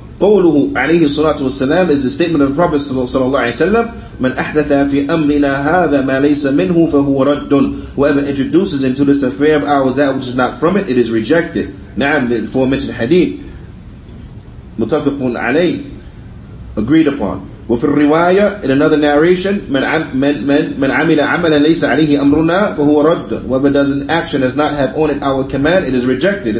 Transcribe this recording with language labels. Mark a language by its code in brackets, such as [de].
[ar] قوله عليه الصلاة والسلام [en] is the statement of the Prophet [ar] صلى الله عليه وسلم, من أحدث في أمرنا هذا ما ليس منه فهو رد. [en] Whoever introduces into this affair of ours that which is not from it, it is rejected. نعم, the aforementioned hadith. [ar] متفق عليه, [en] agreed upon. [ar] وفي الرواية, [en] in another narration, [ar] من عمل عملا ليس عليه أمرنا فهو رد. [en] Whoever does an action does not have on it our command, it is rejected.